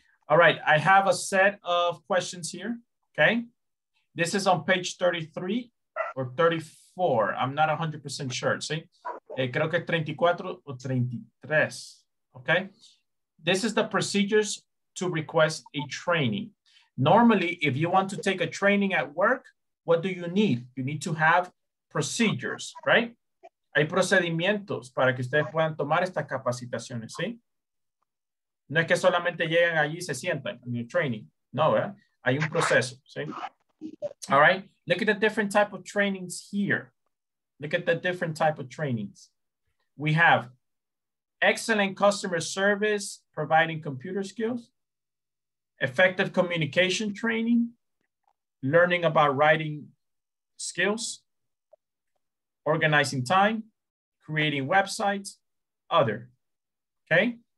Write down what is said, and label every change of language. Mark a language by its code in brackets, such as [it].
[en] All right, I have a set of questions here. Okay, this is on page 33 or 34. I'm not 100% sure, see? [es] Creo que 34 o 33, [en] okay? This is the procedures to request a training. Normally, if you want to take a training at work, what do you need? You need to have procedures, right? [es] Hay procedimientos para que ustedes puedan tomar estas capacitaciones, ¿sí? No es que solamente lleguen allí y se sientan en el training. No, ¿verdad? Hay un proceso, ¿sí? [en] All right, look at the different type of trainings here. Look at the different type of trainings. We have excellent customer service, providing computer skills, effective communication training, learning about writing skills, organizing time, creating websites, other, okay?